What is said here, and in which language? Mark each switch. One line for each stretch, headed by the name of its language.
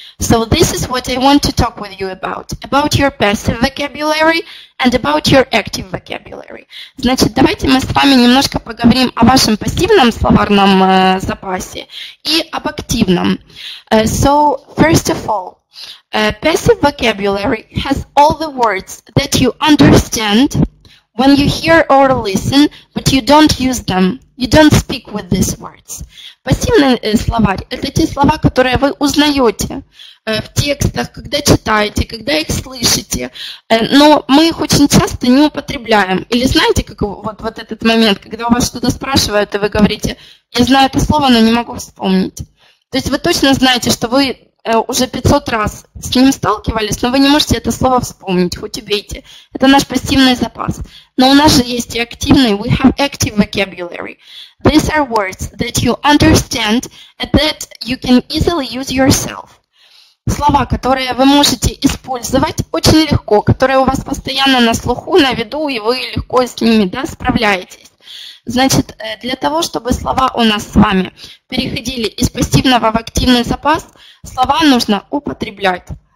English: So this is what I want to talk with you about your passive vocabulary and about your active vocabulary.
Russian: Значит, давайте мы с вами немножко поговорим о вашем пассивном словарном запасе и об активном.
English: So first of all, passive vocabulary has all the words that you understand when you hear or listen, but you don't use them. You don't speak with these words.
Russian: Пассивный словарь – это те слова, которые вы узнаете в текстах, когда читаете, когда их слышите, но мы их очень часто не употребляем. Или знаете, как вот этот момент, когда у вас что-то спрашивают, и вы говорите: «Я знаю это слово, но не могу вспомнить». То есть вы точно знаете, что вы уже 500 раз с ним сталкивались, но вы не можете это слово вспомнить, хоть убейте. Это наш пассивный запас. Но у нас же есть и активный.
English: We have active vocabulary. These are words that you understand and that you can easily use yourself.
Russian: Слова, которые вы можете использовать очень легко, которые у вас постоянно на слуху, на виду, и вы легко с ними, да, справляетесь. Значит, для того, чтобы слова у нас с вами переходили из пассивного в активный запас, слова нужно употреблять.